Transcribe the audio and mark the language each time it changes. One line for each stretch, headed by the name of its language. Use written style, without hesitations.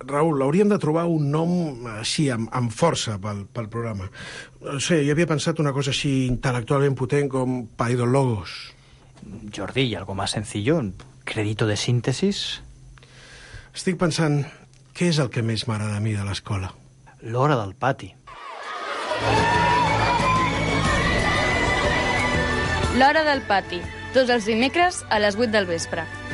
Catalan: Raül, hauríem de trobar un nom així, amb força, pel programa. No sé, jo havia pensat una cosa així intel·lectualment potent com Paidologos.
Spanish: Jordi, i algo más sencillo, Crédito de síntesis.
Catalan: Estic pensant, què és el que més m'agrada a mi de l'escola? L'hora del pati. L'hora del pati, tots els dimecres a les 8 del vespre.